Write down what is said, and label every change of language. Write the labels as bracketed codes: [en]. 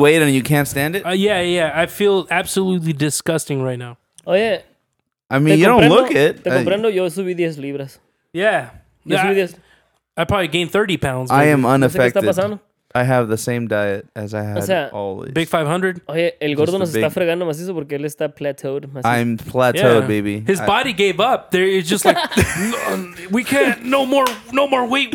[en] Weight, and you can't stand it? Yeah. I feel absolutely disgusting right now. Oh, yeah. I mean, you don't look it. [es] Te comprendo, yo subí 10 libras. [en] Yeah. [es] Yo subí 10. [en] I probably gained 30 pounds. Maybe. I am unaffected. I have the same diet as I had always. Big 500. [es] Oye, el gordo nos está fregando macizo porque él está plateaued. [en] I'm plateaued, yeah. Baby. His body gave up. It's just like, we can't, no more weight.